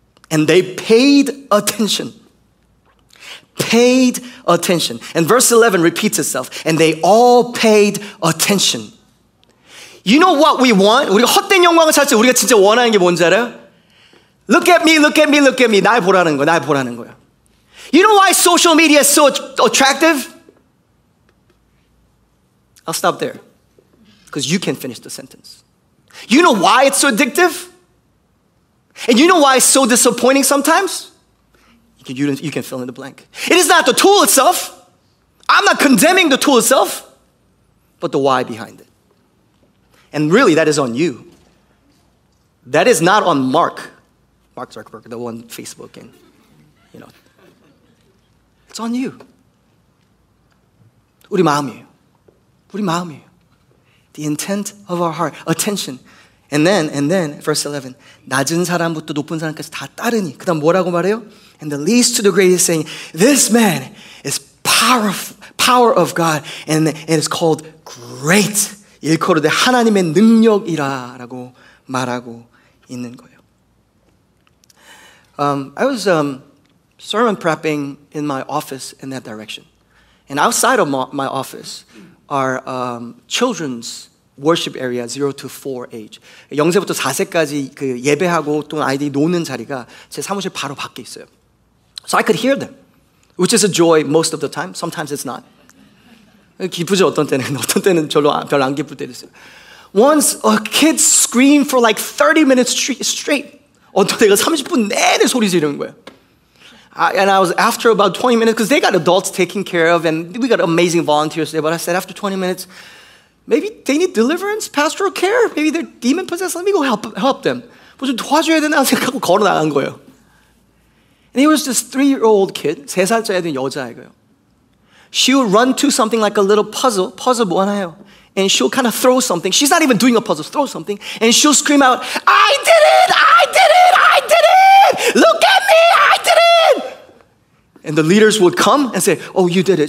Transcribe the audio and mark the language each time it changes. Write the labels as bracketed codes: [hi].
[en] And they paid attention. Paid attention. And verse 11 repeats itself. And they all paid attention. You know what we want? [ko] 우리가 헛된 영광을 찾지 우리가 진짜 원하는 게 뭔지 알아요? [en] Look at me, look at me, look at me. [ko] 날 보라는 거야, 날 보라는 거야. [en] You know why social media is so attractive? I'll stop there. Because you can finish the sentence. You know why it's so addictive? And you know why it's so disappointing sometimes? You can fill in the blank. It is not the tool itself. I'm not condemning the tool itself. But the why behind it. And really, that is on you. That is not on Mark. Mark Zuckerberg, the one Facebook, and, you know. It's on you. [ko] 우리 마음이에요. 우리 마음이에요. [en] The intent of our heart. Attention. And then, verse 11. [ko] 낮은 사람부터 높은 사람까지 다 따르니. 그 다음 뭐라고 말해요? [en] And the least to the greatest saying, this man is power of God, and it's called great. [ko] 일컬어대 하나님의 능력이라라고 말하고 있는 거예요. [en] I was sermon prepping in my office in that direction. And outside of my office are children's worship area, 0 to 4 age. [ko] 영세부터 4세까지 그 예배하고 또 아이들이 노는 자리가 제 사무실 바로 밖에 있어요. [en] So I could hear them, which is a joy most of the time. Sometimes it's not. [ko] 기쁘죠, 어떤 때는. 어떤 때는 별로 안 기쁠 때도 있어요. [en] Once a kid screamed for like 30 minutes straight. [ko] 어떤 애가 30분 내내 소리 지르는 거예요. [en] And I was after about 20 minutes, because they got adults taken care of, and we got amazing volunteers there, but I said after 20 minutes, maybe they need deliverance, pastoral care, maybe they're demon-possessed, let me go help them. [ko] 무슨 도와줘야 되나 생각하고 걸어 나간 거예요. [en] And he was this 3-year-old kid, [ko] 3살짜리 된 여자애가요. [en] She would run to something like a little puzzle [ko] 뭐하나요? [en] And she'll kind of throw something. She's not even doing a puzzle. Throw something. And she'll scream out, I did it! I did it! I did it! Look at me! I did it! And the leaders would come and say, oh, you did it.